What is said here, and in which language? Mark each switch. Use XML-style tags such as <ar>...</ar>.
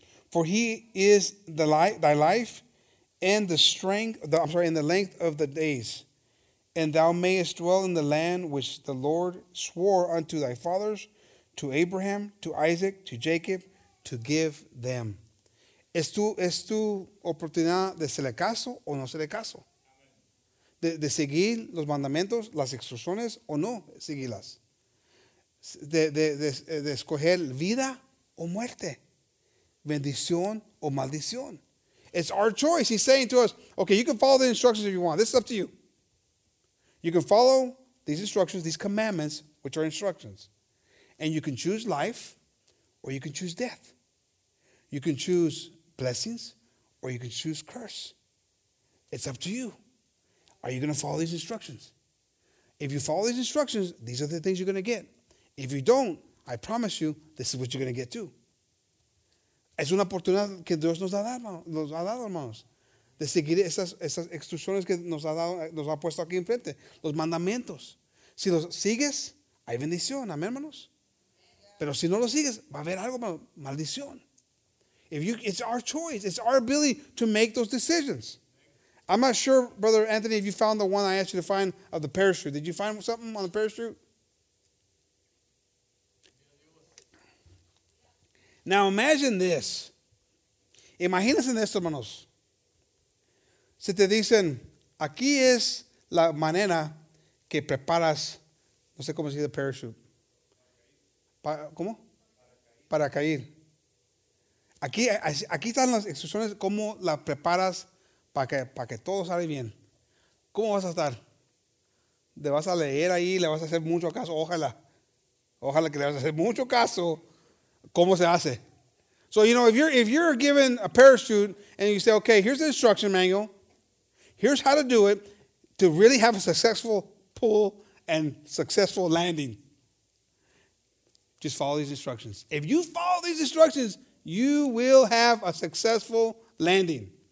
<en>For he is the light, thy life, and the strength, in the length of the days, and thou mayest dwell in the land which the Lord swore unto thy fathers, to Abraham, to Isaac, to Jacob, to give them.</en> <es>Es tu oportunidad de hacerle caso o no hacerle caso. De seguir los mandamientos, las instrucciones, o no seguirlas. de escoger vida o muerte, bendición o maldición.</es> <en>It's our choice. He's saying to us, okay, you can follow the instructions if you want. This is up to you. You can follow these instructions, these commandments, which are instructions. And you can choose life or you can choose death. You can choose blessings or you can choose curse. It's up to you. Are you going to follow these instructions? If you follow these instructions, these are the things you're going to get. If you don't, I promise you, this is what you're going to get too.</en> <es>Es una oportunidad que Dios nos ha dado, hermanos. De seguir esas instrucciones que nos ha puesto aquí enfrente. Los mandamientos. Si los sigues, hay bendición. Amén, hermanos. Pero si no los sigues, va a haber algo, maldición.</es> <en>It's our choice. It's our ability to make those decisions. I'm not sure, Brother Anthony, if you found the one I asked you to find of the parachute. Did you find something on the parachute? Now imagine this.</en> <es>Imagínense esto, hermanos. Si te dicen, aquí es la manera que preparas, no sé cómo se dice parachute. ¿Cómo? Para caer. Aquí están las instrucciones, cómo la preparas para que todo salga bien. ¿Cómo vas a estar? ¿Le vas a leer ahí? ¿Le vas a hacer mucho caso? Ojalá. Ojalá que le vas a hacer mucho caso. ¿Cómo se hace?</es> <en>So, you know, if you're given a parachute and you say, okay, here's the instruction manual. Here's how to do it to really have a successful pull and successful landing. Just follow these instructions. If you follow these instructions, you will have a successful landing.</en>